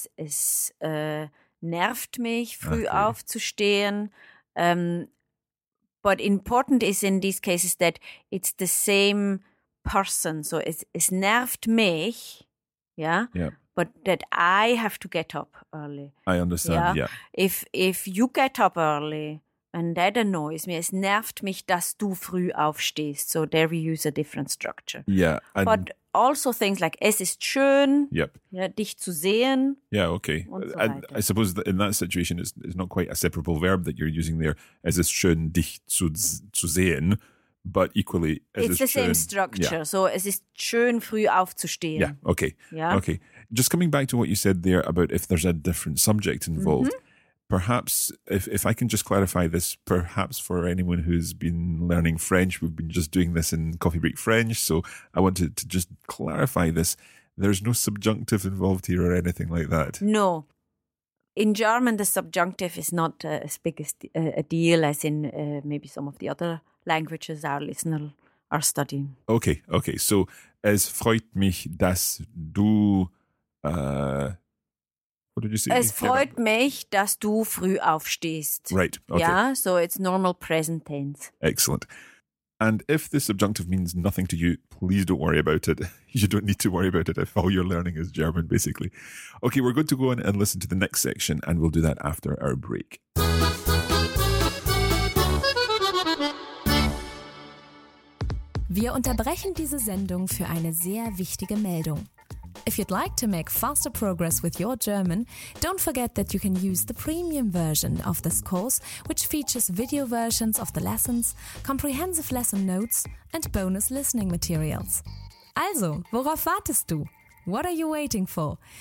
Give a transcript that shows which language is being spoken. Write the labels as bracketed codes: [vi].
[de] Es nervt mich, früh aufzustehen. [en] But important is in these cases that it's the same person. So [de] es nervt mich. [en] But that I have to get up early. I understand, If you get up early and that annoys me, [de] es nervt mich, dass du früh aufstehst. [en] So there we use a different structure. Yeah. But also things like [de] es ist schön, dich zu sehen. [en] Yeah, okay. [de] Und so [en] I suppose that in that situation it's not quite a separable verb that you're using there. [de] Es ist schön, dich zu sehen. [en] But equally, same structure. Yeah. So [de] es ist schön, früh aufzustehen. [en] Yeah, okay. Yeah. Okay. Just coming back to what you said there about if there's a different subject involved, perhaps, if I can just clarify this, perhaps for anyone who's been learning French, we've been just doing this in Coffee Break French, so I wanted to just clarify this. There's no subjunctive involved here or anything like that. No. In German, the subjunctive is not as big a deal as in maybe some of the other languages our listener are studying. Okay, okay. So, [de] es freut mich, dass du, [en] what did you say? [de] Es freut mich, dass du früh aufstehst. [en] Right, okay. Yeah, so it's normal present tense. Excellent. And if the subjunctive means nothing to you, please don't worry about it. You don't need to worry about it if all you're learning is German, basically. Okay, we're good to go on and listen to the next section, and we'll do that after our break. [de] Wir unterbrechen diese Sendung für eine sehr wichtige Meldung. [en] If you'd like to make faster progress with your German, don't forget that you can use the premium version of this course, which features video versions of the lessons, comprehensive lesson notes and bonus listening materials. [de] Also, worauf wartest du? [en] What are you waiting for?